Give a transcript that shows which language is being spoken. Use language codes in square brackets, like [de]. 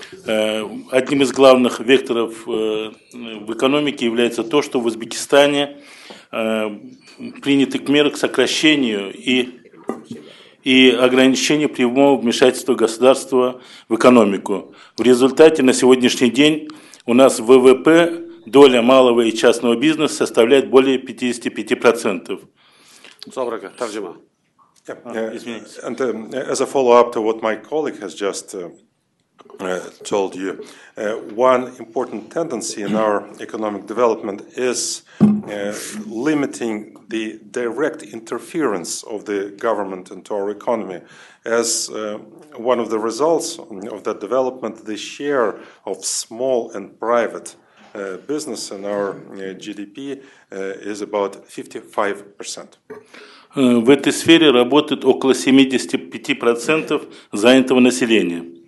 [ru] Одним из главных векторов в экономике является то, что в Узбекистане приняты меры к сокращению и ограничению прямого вмешательства государства в экономику. В результате на сегодняшний день у нас ВВП доля малого и частного бизнеса составляет более 55%. Собрака, тарджима. [en] And as a follow-up to what my colleague has just told you, one important tendency in our economic development is limiting the direct interference of the government into our economy. As one of the results of that development, the share of small and private business in our GDP is about 55%. [ru] В этой сфере работает около 75% занятого населения.